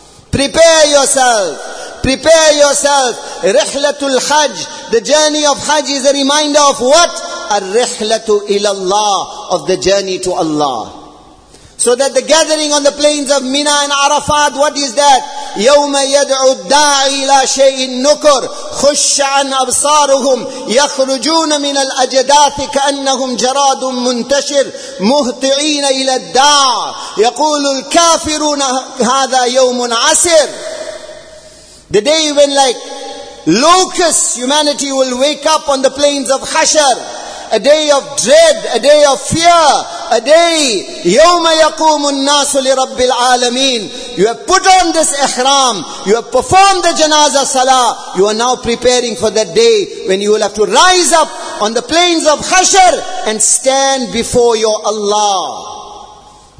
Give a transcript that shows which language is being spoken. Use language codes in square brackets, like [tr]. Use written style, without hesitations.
[en] Prepare yourself. Prepare yourself. [ar] رِحْلَةُ الْحَجْ. [en] The journey of Hajj is a reminder of what? [ar] الرِحْلَةُ إِلَى اللَّهِ. [en] Of the journey to Allah. So that the gathering on the plains of Mina and Arafat, what is that? [ar] يَوْمَ يَدْعُ الدَّاعِ إِلَى شَيْءٍ نُكُرْ خُشَّعًا أَبْصَارُهُمْ يَخْرُجُونَ مِنَ الْأَجَدَاثِ كَأَنَّهُمْ جَرَادٌ مُنْتَشِرٌ مُهْتِعِينَ إِلَى الدَّاعِ يَقُولُ الْكَافِرُونَ هَذَا يَوْمٌ عَسِرٌ. [en] The day when like locusts, humanity will wake up on the plains of Hashar. A day of dread, a day of fear, a day, [ar] يَوْمَ يَقُومُ النَّاسُ لِرَبِّ الْعَالَمِينَ. [en] You have put on this ihram, you have performed the janaza salah, you are now preparing for that day when you will have to rise up on the plains of Hashar and stand before your Allah.